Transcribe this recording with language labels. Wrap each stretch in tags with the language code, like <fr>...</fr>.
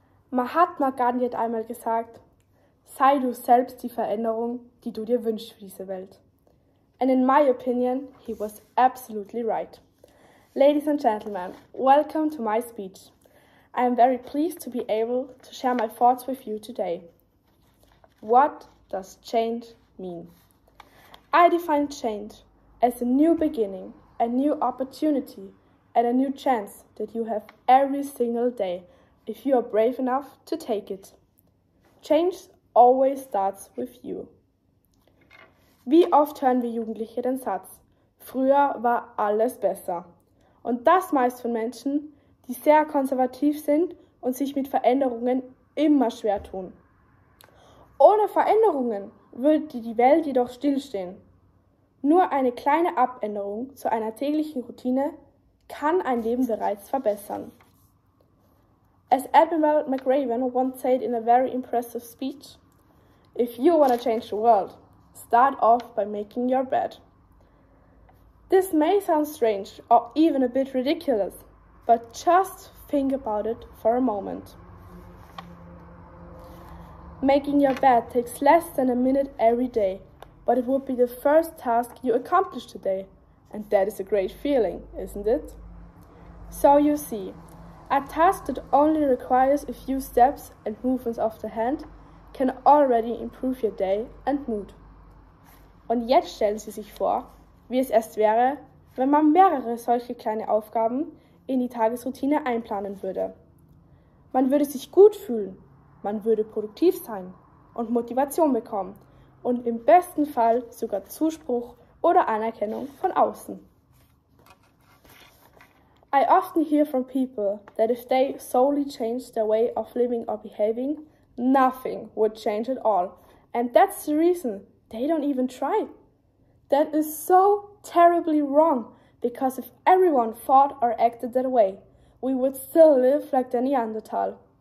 <de>Mahatma Gandhi hat einmal gesagt, sei du selbst die Veränderung, die du dir wünschst für diese Welt.</de> <en>And in my opinion, he was absolutely right. Ladies and gentlemen, welcome to my speech. I am very pleased to be able to share my thoughts with you today. What does change mean? I define change as a new beginning, a new opportunity, and a new chance that you have every single day if you are brave enough to take it. Change always starts with you.</en> <de>Wie oft hören wir Jugendliche den Satz, früher war alles besser. Und das meist von Menschen, die sehr konservativ sind und sich mit Veränderungen immer schwer tun. Ohne Veränderungen würde die Welt jedoch stillstehen. Nur eine kleine Abänderung zu einer täglichen Routine kann ein Leben bereits verbessern.</de> <en>As Admiral McRaven once said in a very impressive speech, if you want to change the world, start off by making your bed. This may sound strange or even a bit ridiculous, but just think about it for a moment. Making your bed takes less than a minute every day, but it would be the first task you accomplish today, and that is a great feeling, isn't it? So you see, a task that only requires a few steps and movements of the hand can already improve your day and mood.</en> <de>Und jetzt stellen Sie sich vor, wie es erst wäre, wenn man mehrere solche kleine Aufgaben in die Tagesroutine einplanen würde. Man würde sich gut fühlen, man würde produktiv sein und Motivation bekommen und im besten Fall sogar Zuspruch oder Anerkennung von außen.</de> <en>I often hear from people that if they solely change their way of living or behaving, nothing would change at all. And that's the reason they don't even try. That is so terribly wrong, because if everyone thought or acted that way, we would still live like the Neanderthal.</en>